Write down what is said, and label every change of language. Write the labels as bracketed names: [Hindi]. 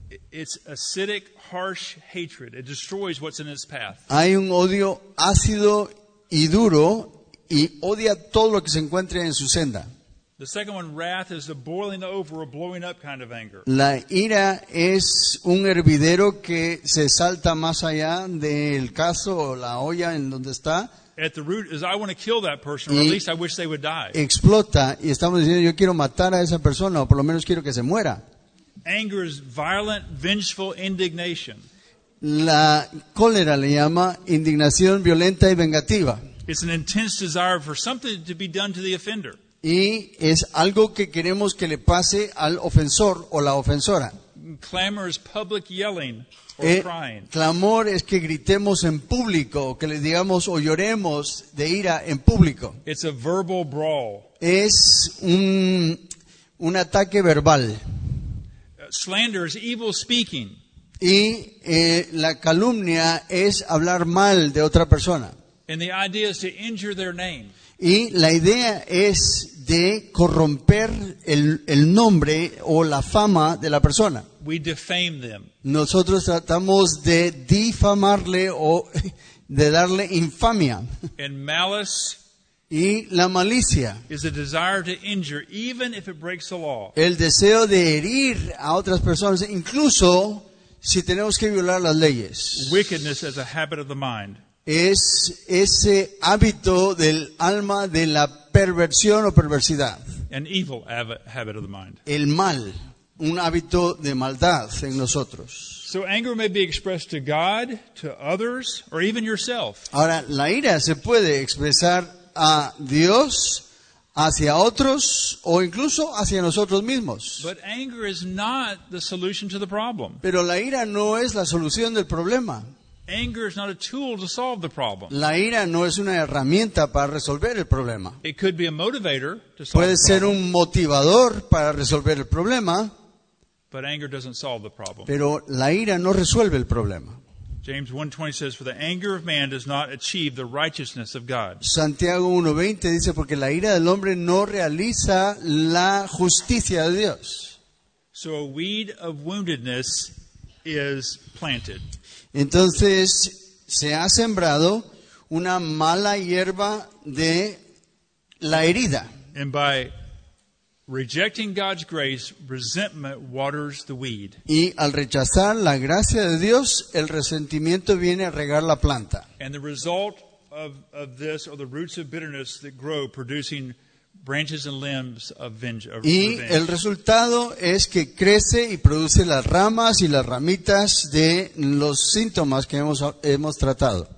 [English] It's acidic, harsh hatred. It destroys what's in its path. [Spanish] Hay un odio ácido y duro y odia todo lo que se encuentre en su senda. [English] The second one, wrath, is a boiling over, a blowing up kind of anger. [Spanish] La ira es un hervidero que se salta más allá del cazo o la olla en donde está. [English] At the root is, I want to kill that person, or at least I wish they would die. [Spanish] Explota, y estamos diciendo, yo quiero matar a esa persona, o por lo menos quiero que se muera. [English] Anger is violent, vengeful indignation. [Spanish] La cólera le llama indignación violenta y vengativa. [English] It's an intense desire for something to be done to the offender. [Spanish] Y es algo que queremos que le pase al ofensor o la ofensora. [English] Clamor is public yelling. [Spanish] Clamor es que gritemos en público, que le digamos o lloremos de ira en público. [English] It's a verbal brawl. [Spanish] Es un ataque verbal. [English] Slander is evil speaking. [Spanish] Y la calumnia es hablar mal de otra persona. [English] And the idea is to injure their name. [Spanish] Y la idea es de corromper el nombre o la fama de la persona. [English] We defame them. [Spanish] Nosotros tratamos de difamarle o de darle infamia. [English] And malice. [Spanish] Y la malicia. [English] Is a desire to injure, even if it breaks the law. [Spanish] El deseo de herir a otras personas, incluso si tenemos que violar las leyes. [English] Wickedness as a habit of the mind. [Spanish] Es ese hábito del alma de la perversión o perversidad. [English] An evil habit of the mind. [Spanish] El mal. Un hábito de maldad en nosotros. [English] So anger may be expressed to God, to others, or even yourself. [Spanish] Ahora, la ira se puede expresar a Dios, hacia otros, o incluso hacia nosotros mismos. [English] But anger is not the solution to the problem. [Spanish] Pero la ira no es la solución del problema. [English] Anger is not a tool to solve the problem. [Spanish] La ira no es una herramienta para resolver el problema. [English] It could be a motivator to solve. [Spanish] Puede ser un motivador para resolver el problema. [English] But anger doesn't solve the problem. [Spanish] Pero la ira no resuelve el problema. [English] James 1:20 says, "For the anger of man does not achieve the righteousness of God." [Spanish] Santiago 1:20 dice, porque la ira del hombre no realiza la justicia de Dios. [English] So a weed of woundedness is planted. [Spanish] Entonces se ha sembrado una mala hierba de la herida. [English] And by rejecting God's grace, resentment waters the weed. [Spanish] Y al rechazar la gracia de Dios, el resentimiento viene a regar la planta. [English] And the result of this are the roots of bitterness that grow, producing branches and limbs of revenge. [Spanish] Y el resultado es que crece y produce las ramas y las ramitas de los síntomas que hemos tratado.